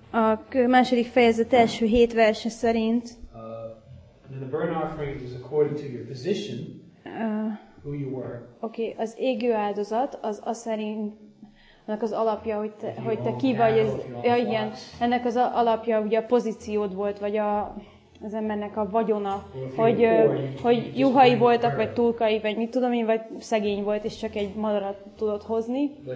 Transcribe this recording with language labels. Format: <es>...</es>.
<hu>a második fejezet első 7 verse szerint</hu> <en>the burnt offering is according to your position who you were.</en> <hu>Okay, az égő áldozat az a szerint ennek az alapja, hogy te ki vagy, igen, ennek az alapja ugye a pozíciód volt, vagy az embernek a vagyona, hogy juhai voltak, vagy tulkai, vagy mit tudom én, vagy szegény volt, és csak egy madarat tudott hozni.</hu>